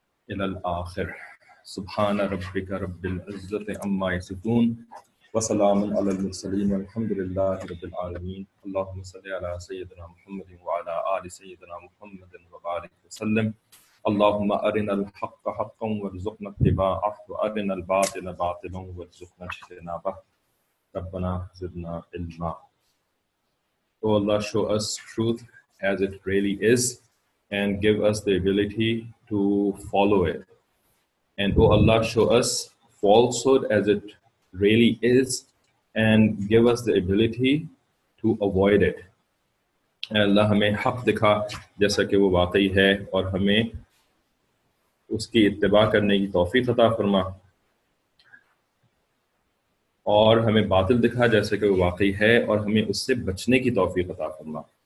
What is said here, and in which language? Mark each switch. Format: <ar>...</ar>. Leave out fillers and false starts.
<ar>إلى الآخر سبحان ربك رب العزة عما يصفون وسلام على المرسلين والحمد لله رب العالمين اللهم صل على سيدنا محمد وعلى آل سيدنا محمد وبارك وسلم اللهم أرنا الحق حقا وارزقنا اتباعه وأرنا الباطل باطلا وارزقنا اجتنابه ربنا زدنا علما</ar> <en>O Allah, show us truth as it really is and give us the ability to follow it. And O Allah, show us falsehood as it really is and give us the ability to avoid it.</en> <ur>Allah, ہمیں حق دکھا جیسا کہ وہ واقعی ہے اور ہمیں اس کی اتباع کرنے کی توفیق عطا فرما اور ہمیں باطل دکھا جیسے کہ وہ واقعی ہے اور ہمیں اس سے بچنے کی توفیق عطا فرما.</ur>